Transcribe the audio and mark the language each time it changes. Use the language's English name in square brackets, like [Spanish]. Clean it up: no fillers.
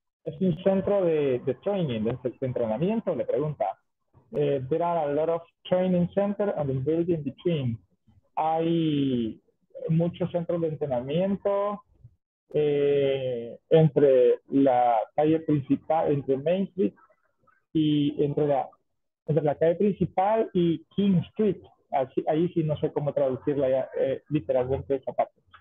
[Spanish] Es un centro de training, de entrenamiento, le pregunta. [English] There are a lot of training centers and the building between. [Spanish] Hay muchos centros de entrenamiento entre la calle principal, entre Main Street y entre la calle principal y King Street. Así, ahí sí no sé cómo traducirla ya, literalmente esa parte.